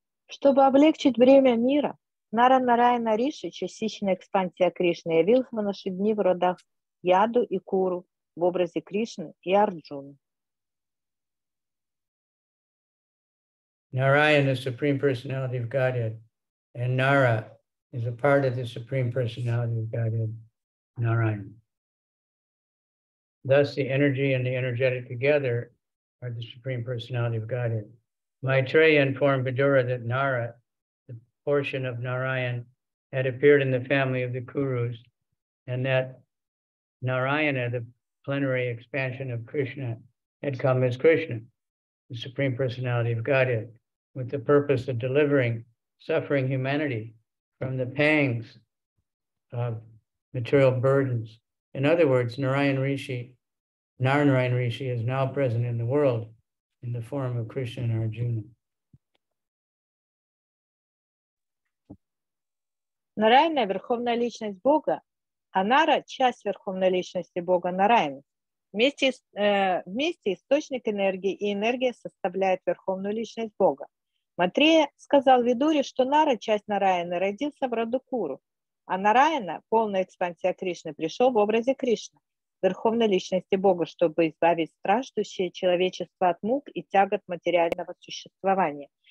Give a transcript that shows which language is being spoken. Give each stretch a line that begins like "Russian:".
Russian: Чтобы облегчить бремя мира, Нара-Нарайана Риши, частичная экспансия Кришны, явился в наши дни в родах Яду и Куру в образе Кришны и Арджуны.
English: Narayan is the Supreme Personality of Godhead, and Nara is a part of the Supreme Personality of Godhead, Narayan. Thus, the energy and the energetic together are the Supreme Personality of Godhead. Maitreya informed Vidura that Nara, the portion of Narayan, had appeared in the family of the Kurus, and that Narayana, the plenary expansion of Krishna, had come as Krishna, the Supreme Personality of Godhead, with the purpose of delivering suffering humanity from the pangs of material burdens. In other words, Narayan Rishi, Narayan Rishi is now present in the world in the form of Krishna and Arjuna.
Russian: Narayana – Верховная Личность Бога, а Нара – часть Верховной Личности Бога Нарайана. Вместе источник энергии и энергия составляет Верховную Личность Бога. Матрея сказал Видуре, что Нара, часть Нараяны, родился в роду Куру, а Нараяна, полная экспансия Кришны, пришел в образе Кришны, Верховной Личности Бога, чтобы избавить страждущее человечество от мук и тягот материального существования.